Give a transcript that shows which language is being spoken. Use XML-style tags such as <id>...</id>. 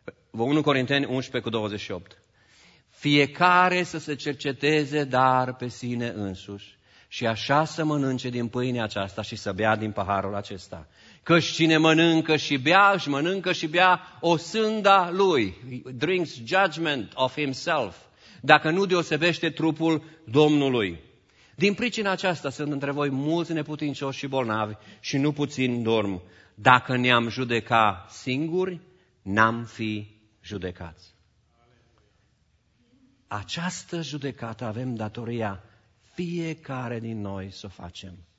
<ro>1 Corinteni 11 cu 28. Fiecare să se cerceteze dar pe sine însuși și așa să mănânce din pâinea aceasta și să bea din paharul acesta. Căci cine mănâncă și bea, își mănâncă și bea osânda lui.</ro> <en>He drinks judgment of himself.</en> <ro>Dacă nu deosebește trupul Domnului. Din pricina aceasta sunt între voi mulți neputincioși și bolnavi și nu puțin dorm. Dacă ne-am judeca singuri, n-am fi judecați. Această judecată avem datoria fiecare din noi să o facem.</ro>